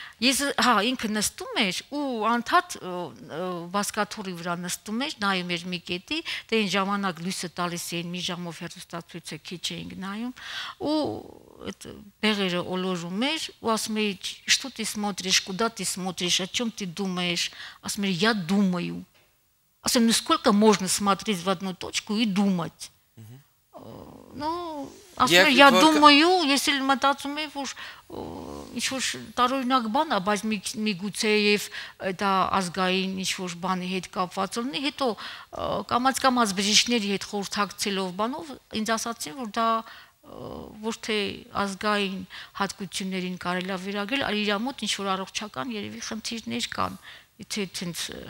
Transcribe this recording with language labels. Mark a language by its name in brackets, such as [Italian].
[Armenian] Ես հա ինքը նստում էր ու անթատ բասկաթորի վրա նստում էր, նայում էր մի կետի, դե այն ժամանակ լույսը տալիս էին, մի ժամով հեռուստացույցը քիչ էինք նայում ու այդ բեղերը օլորում էր ու ասում էի, [Russian] «Շտո ты смотришь, куда ты смотришь, о чём ты думаешь?» [Armenian] Ասում էր, [Russian] «Я думаю». [Armenian] Ասում, [Russian] «Ну сколько можно смотреть в одну точку и думать?» [Armenian] Ну, ասում էր, [Russian] «Я думаю», [Armenian] ես էլ մտածում էի, որ ինչ-որ տարօրինակ բան է, բայց մի գուցե եւ դա ազգային ինչ-որ բանի հետ կապված լինի, հետո կամաց-կամաց բժիշկների հետ խորհրդակցելով բանով ինձ ասացին, որ դա ոչ թե ազգային հատկություններին կարելի վերագրել, այլ իր մոտ ինչ-որ առողջական երևի խնդիրներ կան, եթե այդպես